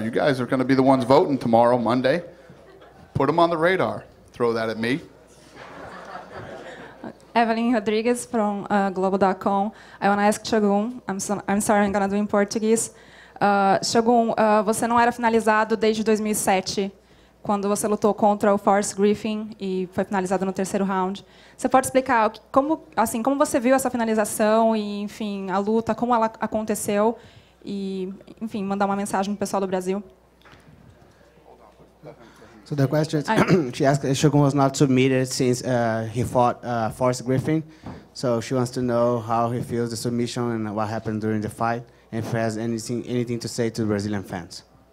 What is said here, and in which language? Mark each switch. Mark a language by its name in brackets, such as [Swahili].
[English] You guys are going to be the ones voting tomorrow, Monday. Put him on the radar. Throw that at me. Evelyn Rodriguez from Globo.com. I want to ask Shogun. I'm sorry, I'm going to do in Portuguese. [Portuguese] Shogun, você não era finalizado desde 2007. Quando você lutou contra o Forrest Griffin e foi finalizado no terceiro round. Você pode explicar como você viu essa finalização e, enfim, a luta, como ela aconteceu e, enfim, mandar uma mensagem pro pessoal do Brasil? [English] So the question is, she asked if Shogun was not submitted since he fought Forrest Griffin. So she wants to know how he feels the submission and what happened during the fight and if he has anything to say to the Brazilian fans.